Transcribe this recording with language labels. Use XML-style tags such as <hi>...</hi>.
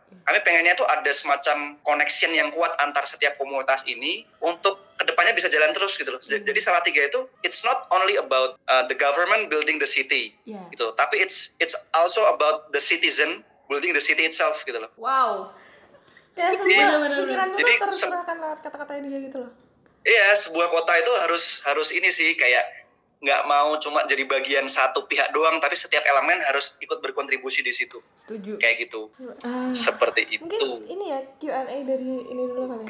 <id>Kami pengennya tuh ada semacam connection yang kuat antar setiap komunitas ini untuk kedepannya bisa jalan terus gitu loh. Jadi Salatiga itu</id> <en>it's not only about the government building the city</en> <id>gitu, tapi</id> <en>it's also about the citizen building the city itself</en> <id>gitu loh. Wow, ya semua pikiran itu terserahkan lewat kata-kata ini gitu loh. Iya, sebuah kota itu harus ini sih, kayak nggak mau cuma jadi bagian satu pihak doang, tapi setiap elemen harus ikut berkontribusi di situ. Setuju. Kayak gitu. Seperti itu. Mungkin ini ya Q&A dari ini dulu kali ya.</id>